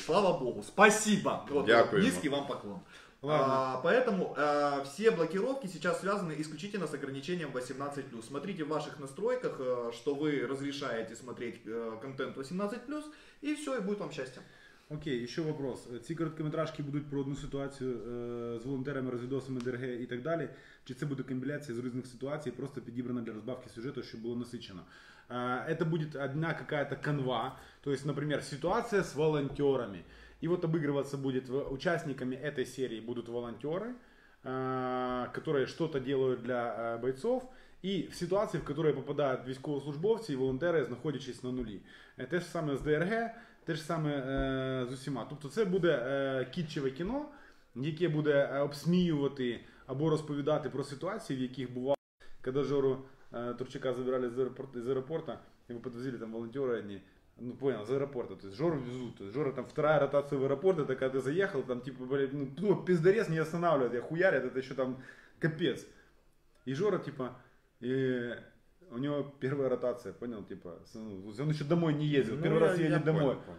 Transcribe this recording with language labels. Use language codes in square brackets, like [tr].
[ru] Слава Богу, спасибо! Вот, [uk] дякую. [ru] Низкий вам поклон. Поэтому все блокировки сейчас связаны исключительно с ограничением 18+. Смотрите в ваших настройках, что вы разрешаете смотреть контент 18+, и все, и будет вам счастье. Окей, еще вопрос. [uk] Ці короткометражки будуть про одну ситуацію з волонтерами, розвідосами ДРГ і так далі? Чи це буде компіляція з різних ситуацій, просто підібрана для розбавки сюжету, щоб було насичено? Це буде одна якась канва, тобто, наприклад, ситуація з волонтерами. [ru] И вот обыгрываться будет, участниками этой серии будут волонтеры, которые что-то делают для бойцов. И в ситуации, в которой попадают [uk] військовослужбовці [ru] и волонтеры, находящиеся на нулі. Те же самое с ДРГ, те же самое с усіма. [uk] Тобто це буде кітчеве кіно, яке буде обсміювати або розповідати про ситуації, в яких бував, коли Жору Турчака забирали з аеропорту, його подвозили там волонтери одні. [ru] Ну, понял, [uk] з аеропорту. [ru] То есть Жору везут. То есть Жора там вторая ротация в аэропорт, это когда ты заехал, там типа, блядь, ну пиздорез не останавливает, я хуярят, это еще там капец. И Жора, типа, у него первая ротация, понял, типа, он еще домой не ездил, первый раз едет домой.